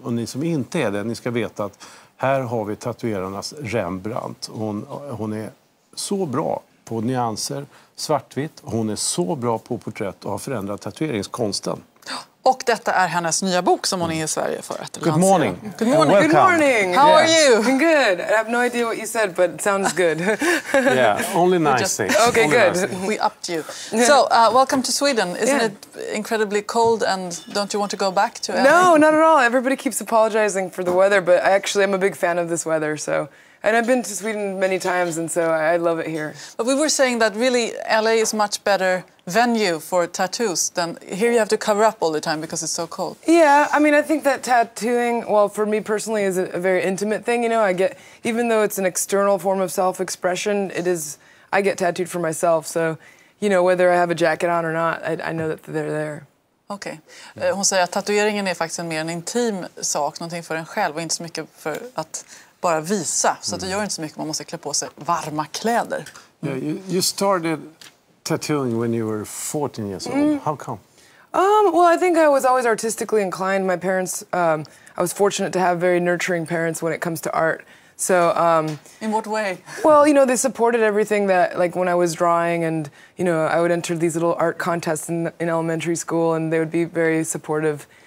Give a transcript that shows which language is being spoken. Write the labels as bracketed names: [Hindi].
[Swedish] Och ni som inte är det, ni ska veta att här har vi tatuerarnas Rembrandt. Hon är så bra på nyanser, svartvitt. Hon är så bra på porträtt och har förändrat tatueringskonsten. Och detta är hennes nya bok som hon är i Sverige för att lansera. [English] Good morning. Good morning. Good morning. How are you? I'm good. I have no idea what you said, but it sounds good. Yeah, only nice just... things. Okay, only good. Nice. We upped you. Yeah. So, welcome to Sweden. Isn't it incredibly cold and don't you want to go back to LA? No, not at all. Everybody keeps apologizing for the weather, but I actually am a big fan of this weather, so... And I've been to Sweden many times, and so I love it here. But we were saying that really LA is much better venue for tattoos than here. You have to cover up all the time because it's so cold. Yeah, I mean, I think that tattooing, well, for me personally, is a very intimate thing. You know, I get, even though it's an external form of self-expression, it is, I get tattooed for myself. So, you know, whether I have a jacket on or not, I know that they're there. Okej. Okay. [Swedish] Hon säger att tatueringen är faktiskt en mer en intim sak, någonting för en själv och inte så mycket för att bara visa. Så att det gör inte så mycket, man måste klä på sig varma kläder. [English] Yeah, you started tattooing when you were 14 years old. How come? Well, I think I was always artistically inclined. My parents, I was fortunate to have very nurturing parents when it comes to art. So, in what way? Well, you know, they supported everything that, like, when I was drawing and, you know, I would enter these little art contests in elementary school and they would be very supportive.